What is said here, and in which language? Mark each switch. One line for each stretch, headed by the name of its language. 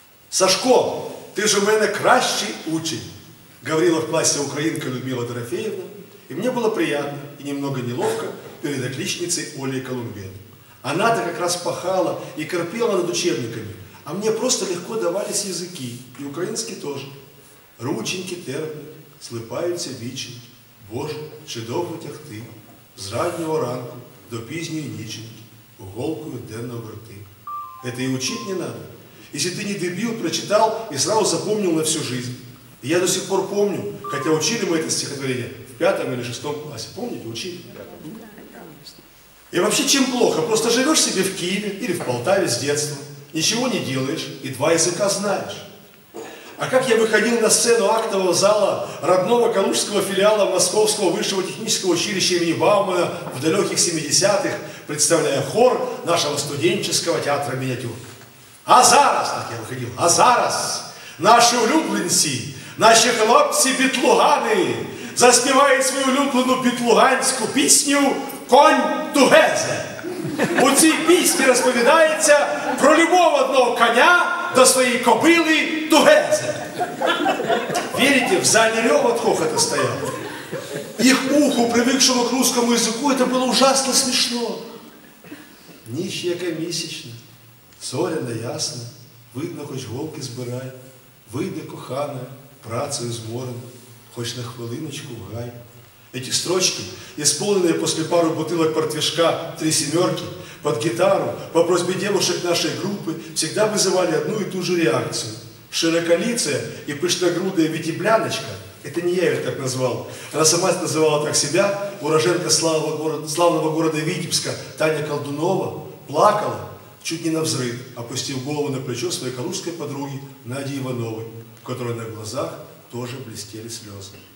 Russian: «Сашко, ты же у меня
Ukrainian: кращий учень»,
Russian: говорила в классе украинка Людмила Дорофеевна, и мне было приятно и немного неловко перед отличницей Олей Колумбенко. Она-то как раз пахала и корпела над учебниками, а мне просто легко давались языки, и украинский тоже.
Ukrainian: Рученьки терпят, слипаються віченьки, Боже, чи довго тягти, з раннього ранку до пізньої ніченьки, голкою денно верти.
Russian: Это и учить не надо. Если ты не дебил, прочитал и сразу запомнил на всю жизнь. И я до сих пор помню, хотя учили мы это стихотворение в пятом или шестом классе. Помните, учили? И вообще, чем плохо? Просто живешь себе в Киеве или в Полтаве с детства, ничего не делаешь и два языка знаешь. А как я выходил на сцену актового зала родного калужского филиала Московского высшего технического училища имени Баумана в далеких 70-х, представляя хор нашего студенческого театра «Миниатюр».
Ukrainian: А зараз, так я выходил, а зараз наши улюбленцы, наши хлопцы-бетлуганы заспевают свою улюбленную бетлуганскую песню «Конь Тугезе».
Russian: У этой песни рассказывается про любовь одного коня до своей кобылы Тугезе. Верите, в зале рев от хохота стоял. Их уху, привыкшему к русскому языку, это было ужасно смешно.
Ukrainian: Ніч якомісячна, зоряна ясна, видно, хоч голки збирай, вийде кохана, працею зморена, хоч на хвилиночку в гай.
Russian: Эти строчки, исполненные после пару бутылок портвишка «Три семерки» под гитару, по просьбе девушек нашей группы, всегда вызывали одну и ту же реакцию. Широколицая и пышногрудая витебляночка, это не я ее так назвал, она сама называла так себя, уроженка славного города Витебска Таня Колдунова, плакала, чуть не навзрыд, опустив голову на плечо своей калужской подруги Нади Ивановой, в которой на глазах тоже блестели слезы.